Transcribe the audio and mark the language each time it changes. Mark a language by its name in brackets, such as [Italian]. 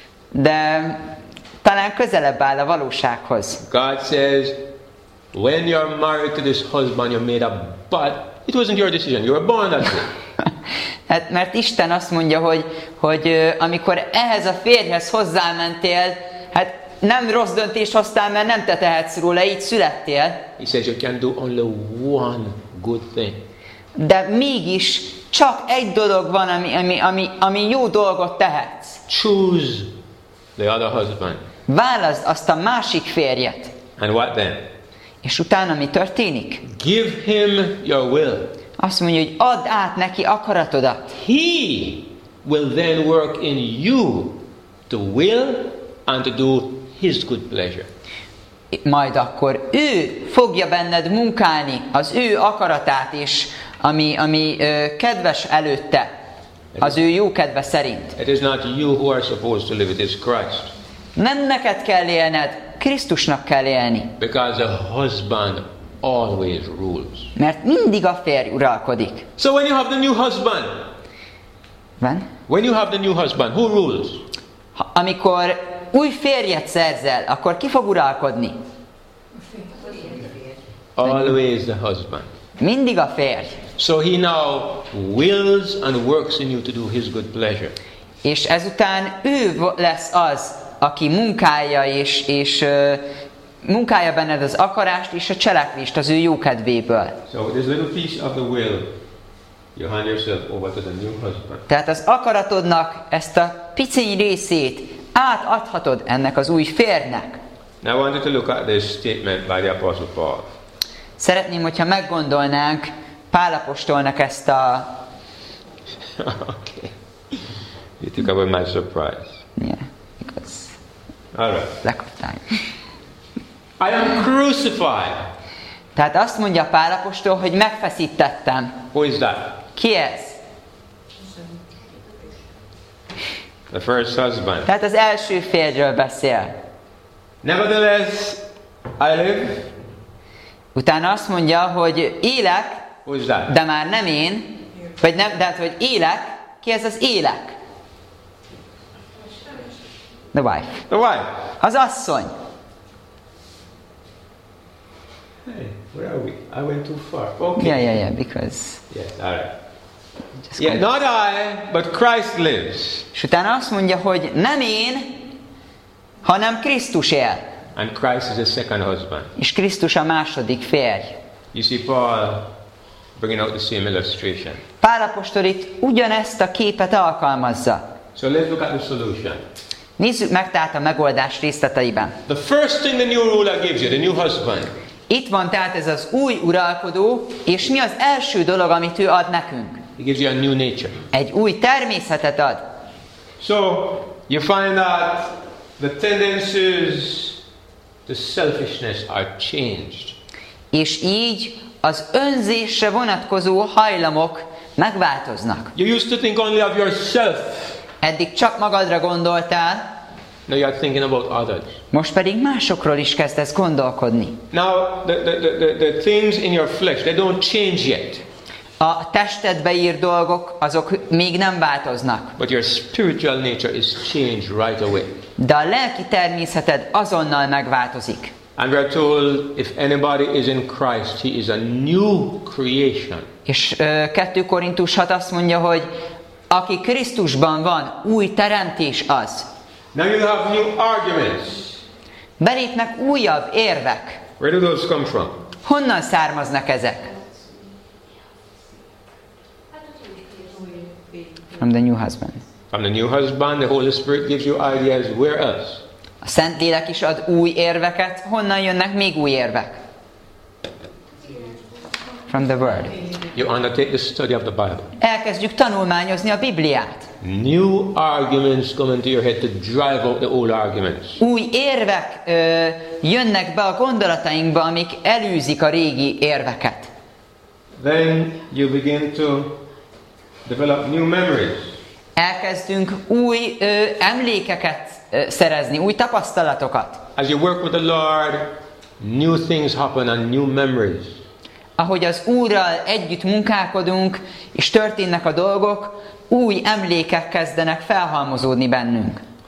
[Hungarian] De talán közelebb áll a valósághoz. [English] God says, when you're married to this husband, you're made a but. It wasn't your decision. You were born that way. [Hungarian] Hát, mert Isten azt mondja, hogy amikor ehhez a férjhez hozzámentél, hát nem rossz döntést hoztál, mert nem te tehetsz róla, így születtél. [English] He says you can do only one good thing. [Hungarian] De mégis csak egy dolog van, ami jó dolgot tehetsz. [English] Choose the other husband. [Hungarian] Válaszd azt a másik férjet. [English] And what then? [Hungarian] És utána mi történik? [English] Give him your will. [Hungarian] Azt mondja, hogy add át neki akaratodat. [English] He will then work in you to will and to do His good pleasure. [Hungarian] Majd akkor ő fogja benned munkálni az ő akaratát is, ami kedves előtte, az ő jó kedve szerint. [English] It is not you who are supposed to live, it is Christ. [Hungarian] Nem neked kell élned, Krisztusnak kell élni. [English] Because a husband always rules. [Hungarian] Mert mindig a férj uralkodik. [English] So when you have the new husband. When? When you have the new husband, who rules? [Hungarian] Amikor új férjet szerzel, akkor ki fog uralkodni? [English] Always the husband. [Hungarian] Mindig a férj. [English] So he now wills and works in you to do his good pleasure. [Hungarian] És ezután ő lesz az, aki munkálja és munkálja benned az akarást és a cselekvést az ő jó kedvéből. [English] So this little piece of the will, you hand yourself over to the new husband. [Hungarian] Tehát az akaratodnak ezt a piciny részét átadhatod ennek az új férjnek. [English] Now I want you to look at this statement by the Apostle Paul. [Hungarian] Szeretném, hogyha meggondolnánk Pál apostolnak ezt a... [English] Okay. You took away my surprise. Yeah, because... All right. Lack of time. I am crucified. [Hungarian] Tehát azt mondja Pál apostol, hogy megfeszítettem. [English] Who is that? [Hungarian] Ki ez? [English] The first husband. [Hungarian] Tehát az első férjről beszél. [English] Nevertheless, I live... [Hungarian] Utána azt mondja, hogy élek, de már nem én, vagy nem, de hát, hogy élek, ki ez az élek? [English] The wife. The wife. [Hungarian] Az asszony. [English] Hey, where are we? I went too far. Okay. Yeah, yeah, yeah, because... Yes, all right. Yeah, not I, but Christ lives. [Hungarian] És utána azt mondja, hogy nem én, hanem Krisztus él. [English] And Christ is the second husband. [Hungarian] És Krisztus a második férj. [English] You see Paul bringing out the same illustration. [Hungarian] Pál apostol itt ugyanezt a képet alkalmazza. [English] So let's look at the solution. [Hungarian] Nézzük meg tehát a megoldás részleteiben. [English] The first thing the new ruler gives you, the new husband. [Hungarian] Itt van tehát ez az új uralkodó, és mi az első dolog, amit ő ad nekünk? [English] He gives you a new nature. [Hungarian] Egy új természetet ad. [English] So you find that the tendencies the selfishness are changed. [Hungarian] És így az önzésre vonatkozó hajlamok megváltoznak. [English] You used to think only of yourself. [Hungarian] Eddig csak magadra gondoltál. [English] Now you are thinking about others. [Hungarian] Most pedig másokról is kezdesz gondolkodni. [English] Now the things in your flesh, they don't change yet. [Hungarian] A testedbe ír dolgok, azok még nem változnak. [English] But your spiritual nature is changed right away. [Hungarian] De a lelki természeted azonnal megváltozik. [English] And we are told, if anybody is in Christ, he is a new creation. [Hungarian] És 2 Korintus 6 azt mondja, hogy aki Krisztusban van, új teremtés az. [English] Now you have new arguments. [Hungarian] Belépnek újabb érvek. [English] Where do those come from? [Hungarian] Honnan származnak ezek? [English] From the new husband. From the new husband, the Holy Spirit gives you ideas. Where else? [Hungarian] A Szentlélek is ad új érveket. Honnan jönnek még új érvek? [English] From the Word. You undertake the study of the Bible. [Hungarian] Elkezdjük tanulmányozni a Bibliát. [English] New arguments come into your head to drive out the old arguments. [Hungarian] Új érvek jönnek be a gondolatainkba, amik elűzik a régi érveket. [English] Then you begin to develop new memories. [Hungarian] Elkezdünk új emlékeket szerezni, új tapasztalatokat. [English] As you work with the Lord, new things happen and new memories. [Hungarian] Ahogy az Úrral együtt munkálkodunk, és történnek a dolgok, új emlékek kezdenek felhalmozódni bennünk.